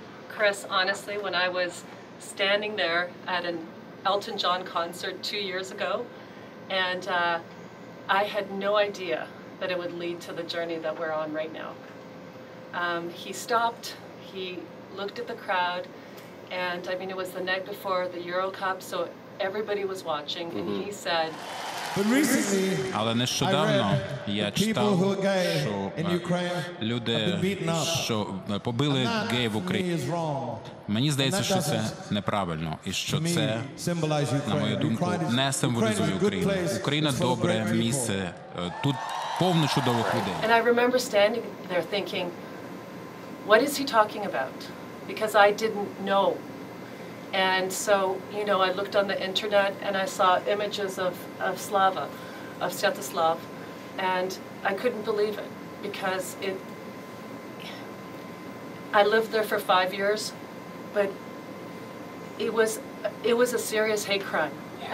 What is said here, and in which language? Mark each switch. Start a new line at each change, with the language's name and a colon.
English: Chris, honestly, when I was standing there at an Elton John concert 2 years ago, and I had no idea that it would lead to the journey that we're on right now. He stopped, he looked at the crowd, and I mean, it was the night before the Euro Cup, so everybody was watching, mm-hmm. And he said, "But recently,
Ukrainian: але нещодавно я читав, що люди, що побили геїв в Україні. Мені здається, що це неправильно, і що це, на мою думку, не символізує Україну. Україна – добре місце, тут повно чудових людей."
English: And I remember standing there thinking, what is he talking about? Because I didn't know. And so, you know, I looked on the internet and I saw images of Slava, of Svyatoslav, and I couldn't believe it, because I lived there for 5 years, but it was a serious hate crime. Yeah.